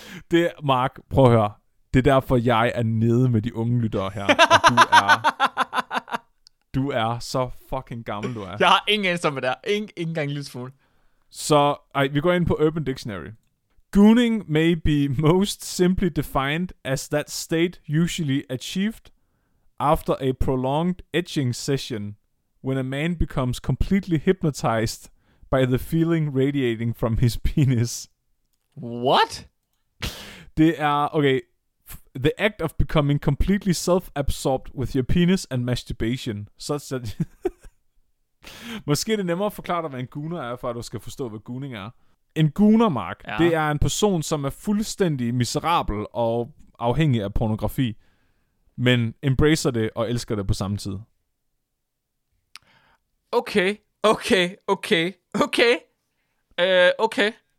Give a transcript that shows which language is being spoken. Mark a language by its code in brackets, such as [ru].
[da] Det er, Mark, prøv at høre. Det er derfor, jeg er nede med de unge lyttere her, og du er så fucking gammel, du er. Jeg har ingen anelse om det der. Ingen gang en lille smule. Så vi går ind på Urban Dictionary. [en] Gooning may be most simply defined as that state usually achieved after a prolonged etching session when a man becomes completely hypnotized by the feeling radiating from his penis. What? [da] Det er, [en] okay, the act of becoming completely self-absorbed with your penis and masturbation, such that... [da] Måske er det nemmere at forklare dig, hvad en gooner er, for at du skal forstå, hvad gooning er. En gooner, Mark, ja, det er en person, som er fuldstændig miserabel og afhængig af pornografi, men embracer det og elsker det på samme tid. [en] Okay, okay, okay, okay, okay.